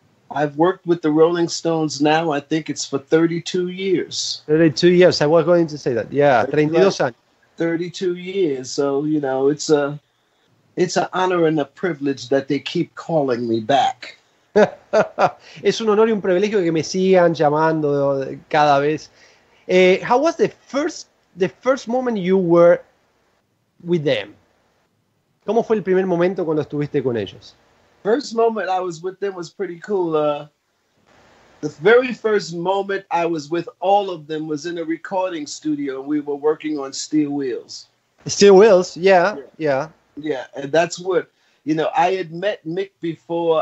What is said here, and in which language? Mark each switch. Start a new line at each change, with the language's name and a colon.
English: I've worked with the Rolling Stones now, I think it's for 32 years. 32 years, I was going to say that. Yeah,
Spanish: 32 años.
English: 32 years, so, you know, it's an honor and a privilege that they keep calling me back.
Spanish: Es un honor y un privilegio que me sigan llamando cada vez.
English: How was the first moment you were with them?
Spanish: ¿Cómo fue el primer momento cuando estuviste con ellos?
English: First moment I was with them was pretty cool. The very first moment I was with all of them was in a recording studio. We were working on Steel Wheels. Steel Wheels, yeah, yeah. Yeah, and that's what, you know, I had met Mick before.